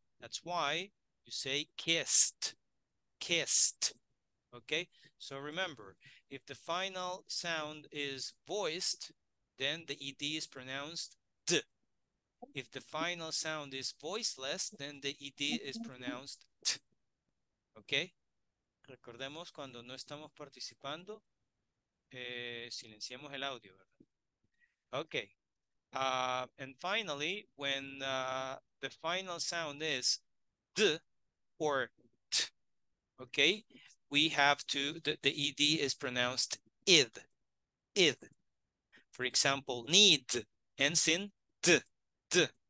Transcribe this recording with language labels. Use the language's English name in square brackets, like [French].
[English] That's why you say kissed, kissed, okay? So remember, if the final sound is voiced, then the ED is pronounced d. If the final sound is voiceless, then the ED is pronounced t, okay? [Spanish] Recordemos, cuando no estamos participando, silenciamos el audio, ¿verdad? [English] Okay. And finally, when the final sound is d or t, okay, we have to, the ed is pronounced id, id. For example, need, ends in d, d.